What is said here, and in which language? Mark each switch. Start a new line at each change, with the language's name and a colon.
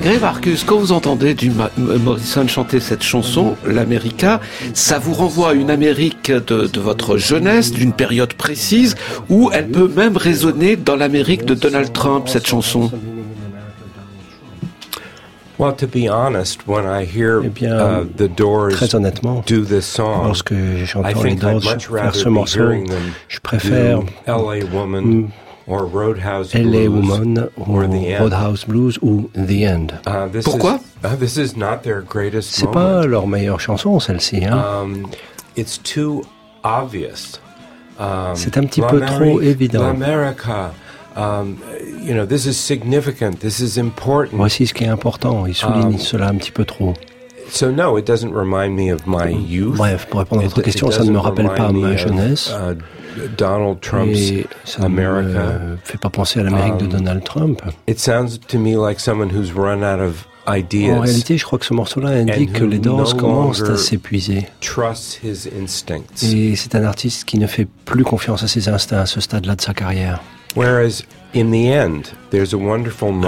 French: Grave Arcus, quand vous entendez Morrison chanter cette chanson, L'America, ça vous renvoie à une Amérique de votre jeunesse, d'une période précise, ou elle peut même résonner dans l'Amérique de Donald Trump, cette chanson?
English: Well, to be honest, when I hear the Doors do this song,
French: lorsque j'entends les Doors faire ce morceau, je préfère
English: LA Woman or Roadhouse
French: LA Woman ou Roadhouse Blues ou The End. Pourquoi?
English: This is not their greatest moment.
French: C'est pas leur meilleure chanson, celle-ci, hein.
English: It's too obvious.
French: C'est un petit peu trop évident.
English: L'America. You know, this is significant. This is important.
French: Voici ce qui est important. Il souligne cela un petit peu trop.
English: So no, it doesn't remind me of my youth.
French: Bref, pour répondre à votre question, ça ne me rappelle pas ma jeunesse.
English: Donald Trump's
French: ça America. Ne me fait pas penser à l'Amérique de Donald Trump.
English: It sounds to me like someone who's run out of ideas.
French: En réalité, je crois que ce morceau-là indique que les Doors commencent à s'épuiser.
English: Trust his instincts.
French: Et c'est un artiste qui ne fait plus confiance à ses instincts à ce stade-là de sa carrière.
English: Whereas in the end, there's a wonderful moment.